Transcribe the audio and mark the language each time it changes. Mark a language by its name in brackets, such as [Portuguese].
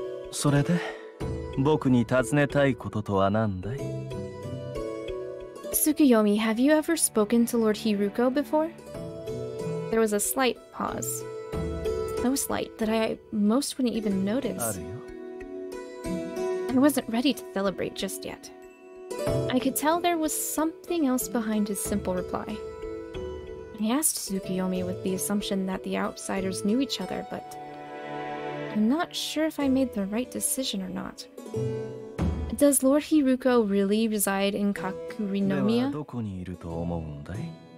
[Japanese] それで、僕に尋ねたいこととは何だい？ [English] Tsukuyomi, have you ever spoken to Lord Hiruko before? There was a slight pause. So slight that I most wouldn't even notice. [Japanese] あるよ。 [English] I wasn't ready to celebrate just yet. I could tell there was something else behind his simple reply. I asked Tsukuyomi with the assumption that the outsiders knew each other, but... I'm not sure if I made the right decision or not. Does Lord Hiruko really reside in Kakurinomiya? [Japanese] ではどこにいると思うんだい?